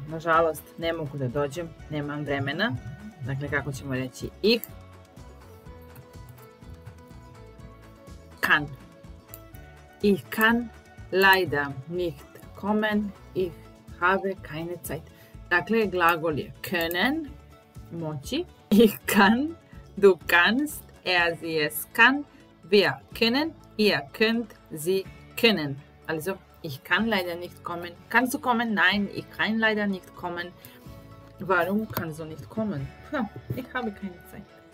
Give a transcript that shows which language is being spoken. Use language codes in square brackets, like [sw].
[sr] Nažalost, ne mogu da dođem, nemam vremena. Dakle, kako ćemo reći [de] ich kann. Ich kann leider nicht kommen. Ich habe keine Zeit. [sr] Dakle, glagol je können, moći. [de] Ich kann, du kannst, er, sie, es kann. Wir können, ihr könnt, sie können. Also, ich kann leider nicht kommen. Kannst du kommen? Nein, ich kann leider nicht kommen. Warum kannst du nicht kommen? Ich habe keine Zeit.